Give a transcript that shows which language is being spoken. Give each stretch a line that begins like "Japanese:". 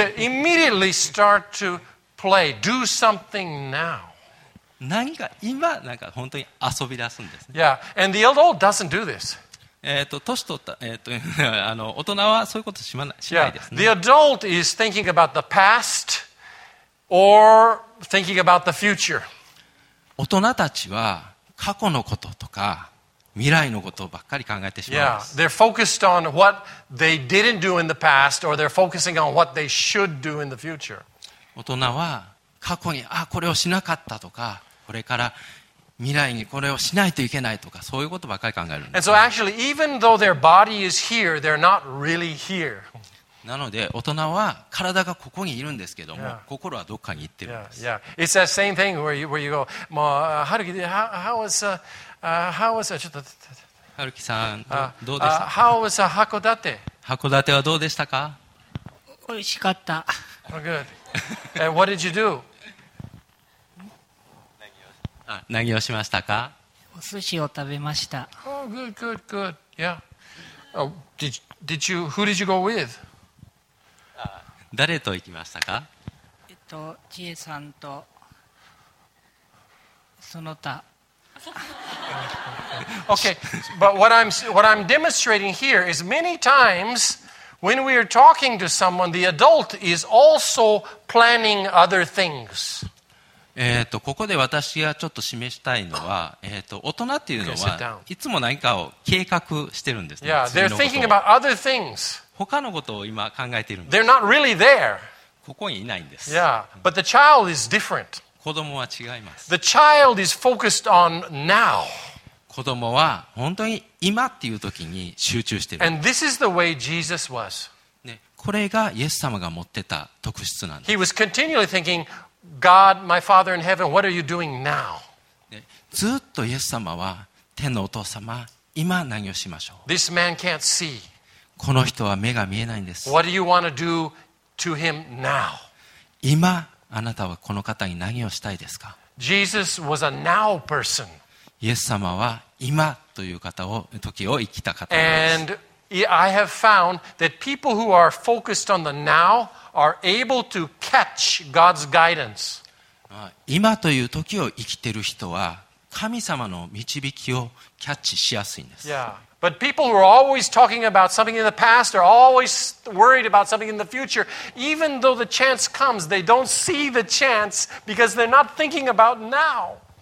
English: They immediately start to play, do something now.
Japanese: 何か今なんか本当に遊び出すんですね。
English: Yeah, and the adult doesn't do this.
Japanese: 年取った大人はそういうことしないですね。
English: Yeah, the adult is thinking about the past or thinking about the future.
Japanese: 大人たちは過去のこととか未来のことばっかり考えてしまいます。
English: Yeah, they're focused on what they didn't do in the past or they're focusing on what they should do in the future.
Japanese: 大人は過去にこれをしなかったとか、これから未来にこれをしないといけないとか、そういうことばかり考えるんです。
English: And so actually, even though their body is here, they're not really here.
Japanese: なので、大人は体がここにいるんですけども、yeah. 心はどっかに行ってるんです。
English: Yeah, yeah. It's that same thing where you go, まあ、Haruki, how was ちょっと、
Japanese: Haruki さん、どうでした
English: ？ How was Hakodate?
Japanese: 函館はどうでしたか？美味しかった。
English: Oh, good. And what did you do?
Japanese: 何をしましたか？お寿司を食べました。
English: Oh, good, good, good. Yeah. Who did you go with?
Japanese: 誰と行きましたか？ちえさんとその他。
English: Okay, but what I'm demonstrating here is many times. When we are talking to someone, the adult is also planning other things.
Japanese: ここで私がちょっと示したいのは、大人っていうのはいつも何かを計画してるんですね。
English: Yeah, they're thinking about other things.
Japanese: 他のことを今考えているんです。
English: They're not really there.
Japanese: ここにいないんです。
English: Yeah, but the child is different.
Japanese: 子供は違います。
English: The child is focused on now.
Japanese: 子供は本当に今っていう時に集中している。
English: And this is the way Jesus was.
Japanese: ね、これがイエス様が持ってた特質なんです。
English: He was continually thinking, God, my Father in heaven, what are you doing now?
Japanese: ね、ずっとイエス様は天のお父様、今何をしましょう。
English: This man can't see.
Japanese: この人は目が見えないんです。
English: What do you want to do to him now?
Japanese: 今あなたはこの方に何をしたいですか。
English: Jesus was a now person.
Japanese: イエス様は今という方を時を生きた方です。
English: And I have found that people who are focused on the now are able to catch God's guidance.
Japanese: 今という時を生きている人は神様の導きをキャッチしやすいんです。
English: Yeah, but people who are always talking about something in the past are always worried about something in the future. Even though the chance comes, they don't see the chance because they're not thinking about now.